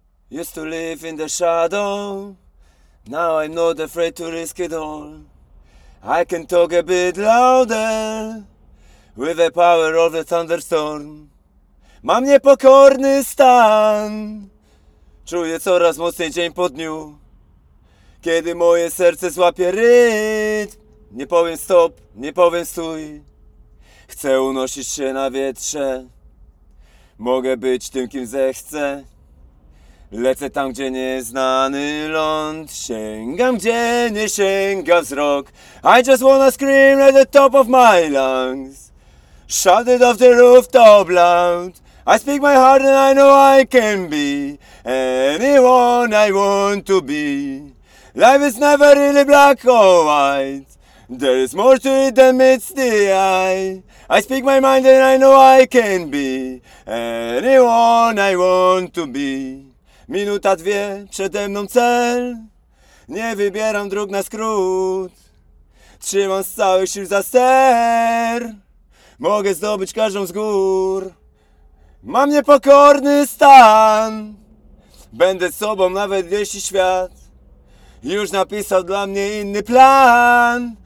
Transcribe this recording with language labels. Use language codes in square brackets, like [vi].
[en] Used to live in the shadow, now I'm not afraid to risk it all. I can talk a bit louder, with the power of the thunderstorm. [pl] Mam niepokorny stan, czuję coraz mocniej dzień po dniu. Kiedy moje serce złapie rytm, nie powiem stop, nie powiem stój. Chcę unosić się na wietrze, mogę być tym, kim zechcę. Lecę tam, gdzie nieznany ląd, sięgam, gdzie nie sięga wzrok. [en] I just wanna scream at the top of my lungs, shout it off the rooftop loud. I speak my heart and I know I can be anyone I want to be. Life is never really black or white, there is more to it than meets the eye. I speak my mind and I know I can be anyone I want to be. [pl] Minuta, dwie, przede mną cel, nie wybieram dróg na skrót. Trzymam z całych sił za ster, mogę zdobyć każdą z gór. Mam niepokorny stan, będę sobą nawet jeśli świat już napisał dla mnie inny plan.